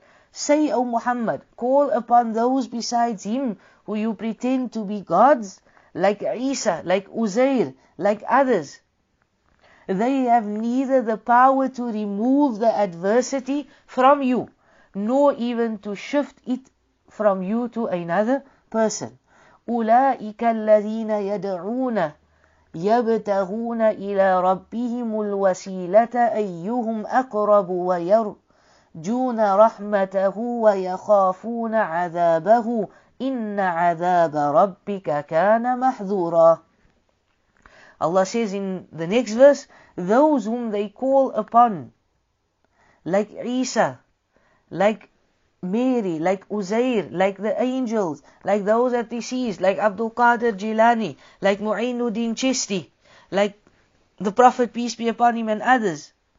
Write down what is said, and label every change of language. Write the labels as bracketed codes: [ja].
[en] Say, O Muhammad, call upon those besides him who you pretend to be gods, like Isa, like Uzair, like others. They have neither the power to remove the adversity from you, nor even to shift it from you to another person. [ar] أُولَٰئِكَ الَّذِينَ يَدْعُونَ يبتغون إلى ربهم الوسيلة أيهم أقرب ويرجون رحمته ويخافون عذابه إن عذاب ربك كان محذورا. [en] Allah says in the next verse, those whom they call upon, like Isa, like Mary, like Uzair, like the angels, like those that he sees, like Abdul Qadir Jilani, like Mu'inuddin Chisti, like the Prophet, peace be upon him, and others,